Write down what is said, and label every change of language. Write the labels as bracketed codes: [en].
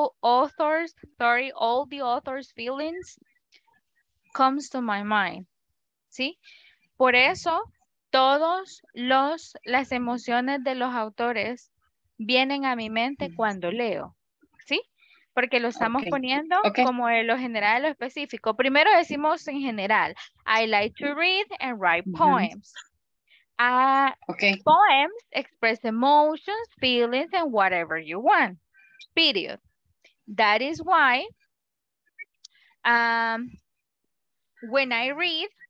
[en] All the authors' feelings comes to my mind. [es] ¿Sí? Por eso, todos las emociones de los autores vienen a mi mente cuando leo, ¿sí? Porque lo estamos poniendo como en lo general, lo específico. Primero decimos en general, [en] I like to read and write poems. Poems express emotions, feelings, and whatever you want, period. That is why when I read,